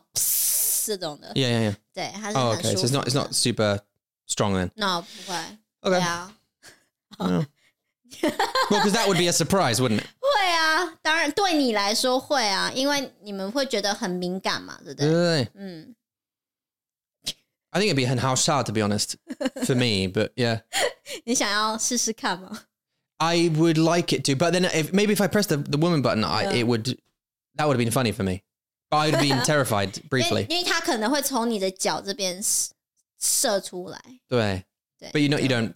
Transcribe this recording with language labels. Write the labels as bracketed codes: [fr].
[zh] 我的蛋蛋，对不对？对，对啊，他就会找到对的位置，然后就这样，对呀，然后不会，我觉得如果你用的话，应该不会痛，因为它很温柔，它的水很温柔，它不是那种这种的，对，它是很舒服。 [en] So it's not super. Strong then? No, why? Okay. Yeah. Well, because that would be a surprise, wouldn't it? [zh] 会啊，当然对你来说会啊，因为你们会觉得很敏感嘛，对不对？对对对。嗯。 [en] I think it'd be [zh] 很好笑, [en] to be honest, for me, but yeah. [zh] 你想要试试看吗? [en] I would like it to, but then if maybe if I press the woman button, yeah. It would That would have been funny for me. But I would have been terrified briefly. But you know, you don't...